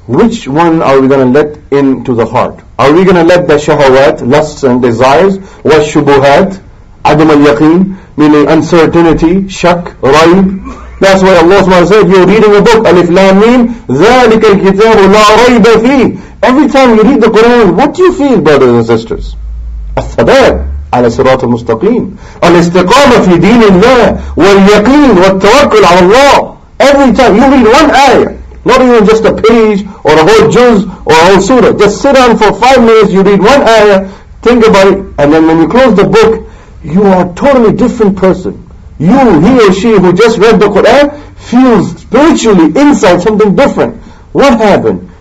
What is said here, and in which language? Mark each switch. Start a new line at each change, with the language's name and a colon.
English: Which one are we going to let into the heart? Are we going to let the shahawat, lusts and desires,
Arabic: وَالشُّبُهَاتِ عَدْمَ الْيَقِينِ,
English: meaning uncertainty, shak, raib. That's why Allah SWT said, you're reading a book, alif lam mim,
Arabic: ذَلِكَ الْكِتَابُ لَا رَيْبَ فِيهِ.
English: Every time you read the Quran, what do you feel, brothers and sisters?
Arabic: الثبات على صراط المستقيم الاستقامة في دين الله واليقين والتوكل على الله.
English: Every time you read one ayah, not even just a page or a whole juz or a whole surah, just sit down for 5 minutes, you read one ayah, think about it, and then when you close the book, you are a totally different person. You, he or she who just read the Quran, feels spiritually inside something different. What happened?